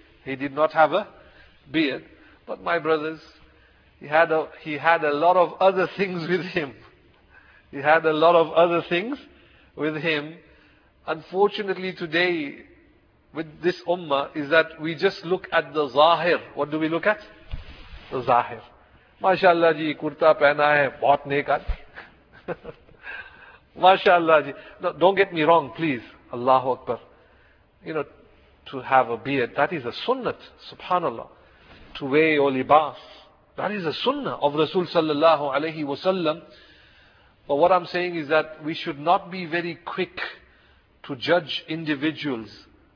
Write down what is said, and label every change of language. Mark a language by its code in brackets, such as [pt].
[en] He did not have a beard. But my brothers, he had a lot of other things with him. He had a lot of other things with him. Unfortunately today, with this ummah, is that we just look at the zahir. What do we look at? The zahir. [ur] ماشاءاللہ جی، کرتا پہنا ہے، بہت نیک آدمی۔ ماشاءاللہ جی۔ [en] No, don't get me wrong, please. Allahu Akbar. You know, to have a beard, that is a sunnah, subhanallah. To wear your libas, that is a sunnah of Rasul sallallahu alayhi wa sallam. But what I'm saying is that we should not be very quick to judge individuals.